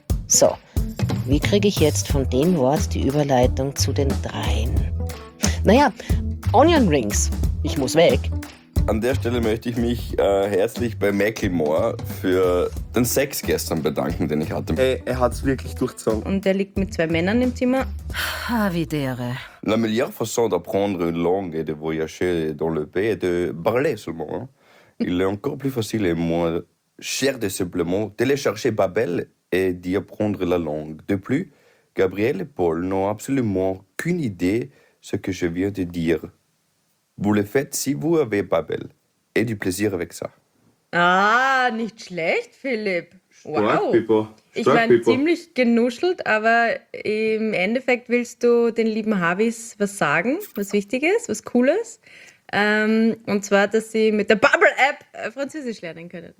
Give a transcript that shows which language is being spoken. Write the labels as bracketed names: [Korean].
[German] So, wie kriege ich jetzt von dem Wort die Überleitung zu den dreien? Naja, Onion Rings, ich muss weg. An der Stelle möchte ich mich herzlich bei Macklemore für den Sex gestern bedanken, den ich hatte. Ey, er hat's wirklich durchgezogen. Und der liegt mit zwei Männern im Zimmer? Ha, wie dere. [French] La meilleure façon d'apprendre une langue et de voyager dans le pays est de parler seulement. Il est encore plus facile et moins cher de simplement télécharger Babbel et d'y apprendre la langue. De plus, Gabriel et Paul n'ont absolument aucune idée ce que je viens de dire. Vous le faites si vous avez Babbel. Et du plaisir avec ça. [German] Ah, nicht schlecht, Philipp. Wow. Ich meine, ziemlich genuschelt, aber im Endeffekt willst du den lieben Havis was sagen, was Wichtiges, was Cooles. Und zwar, dass sie mit der Babbel-App Französisch lernen können.